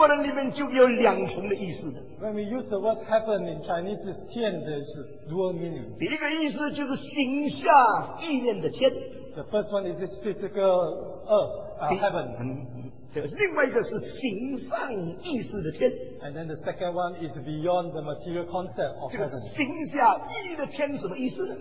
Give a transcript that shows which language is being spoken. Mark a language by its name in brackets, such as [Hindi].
[Chinese] 刚刚我们用天这个字的时候，在中国人里面就有两重的意思。 [English] When we use the word heaven in Chinese, it's 天, there's dual meaning. [Chinese] 第一个意思就是形下意念的天。 [English] The first one is this physical earth, heaven. [Chinese] 另外一个是形上意识的天。 [English] And then the second one is beyond the material concept of heaven. [Chinese] 这个形下意的天什么意思?